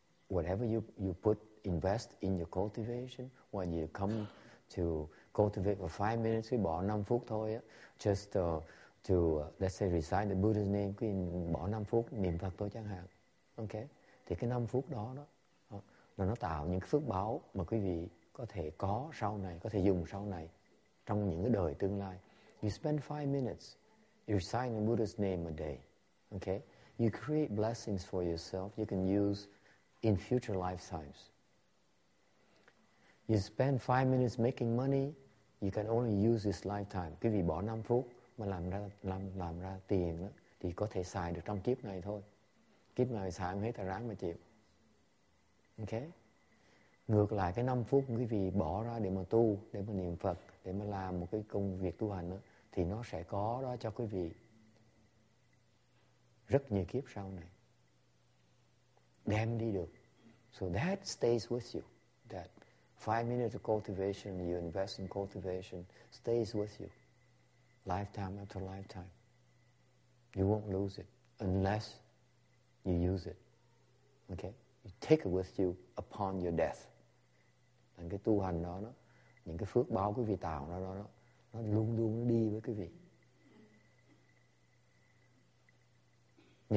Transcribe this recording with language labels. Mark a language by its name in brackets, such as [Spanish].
[English] Whatever you put, invest in your cultivation, when you come to cultivate for 5 minutes, [Vietnamese] quý bỏ 5 phút thôi, [English] just to, let's say, recite the Buddha's name, [Vietnamese] quý bỏ 5 phút, niệm Phật thôi chẳng hạn. [English] Okay? [Vietnamese] Thì cái 5 phút đó, nó tạo những phước báo mà quý vị có thể có sau này, có thể dùng sau này. trong những cái đời tương lai. [English] You spend 5 minutes reciting Buddha's name a day. Okay? You create blessings for yourself you can use in future lifetimes. You spend 5 minutes making money, you can only use this lifetime. [Vietnamese] Quý vị bỏ 5 phút mà làm ra tiền đó, thì có thể xài được trong kiếp này thôi. Kiếp này xài hết là ráng mà chịu. Okay? Ngược lại cái 5 phút quý vị bỏ ra để mà tu, để mà niệm Phật, để mà làm một cái công việc tu hành đó, thì nó sẽ có đó cho quý vị rất nhiều kiếp sau này. Đem đi được. [English] So that stays with you. That 5 minutes of cultivation, you invest in cultivation, stays with you. Lifetime after lifetime. You won't lose it unless you use it. Okay? You take it with you upon your death. [Vietnamese] Thành cái tu hành đó, những cái phước báo quý vị tạo ra đó, nó luôn luôn đi với quý vị.